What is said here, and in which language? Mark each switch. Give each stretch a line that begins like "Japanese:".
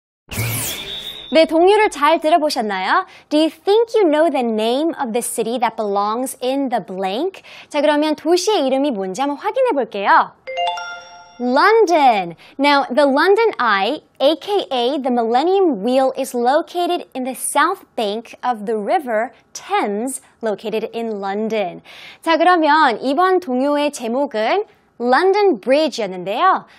English: Do you think you know the name of the city that belongs in the blank?
Korean: 자, 그러면 도시의 이름이 뭔지 한번 확인해 볼게요.
English: London. Now, the London Eye, aka the Millennium Wheel, is located in the south bank of the river Thames, located in London.
Korean: 자, 그러면 이번 동요의 제목은 London Bridge였는데요.